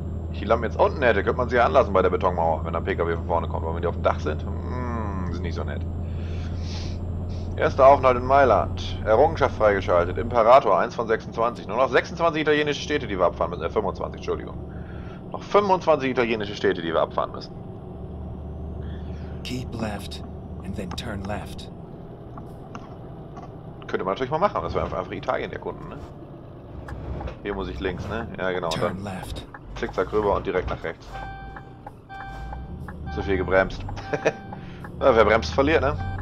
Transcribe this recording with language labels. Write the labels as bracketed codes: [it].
[de] Ich die Lampen jetzt unten hätte, könnte man sie ja anlassen bei der Betonmauer, wenn ein PKW von vorne kommt. Aber wenn die auf dem Dach sind, sind nicht so nett. Erster Aufenthalt in Mailand. Errungenschaft freigeschaltet. Imperator 1 von 26. Nur noch 26 italienische Städte, die wir abfahren müssen. 25, Entschuldigung. Noch 25 italienische Städte, die wir abfahren müssen. [en] Keep left and then turn left. [de] Könnte man natürlich mal machen, das wäre einfach Italien erkunden, ne? Hier muss ich links, ne? Ja, genau. Und dann zickzack rüber und direkt nach rechts. So viel gebremst. Ja, wer bremst, verliert, ne?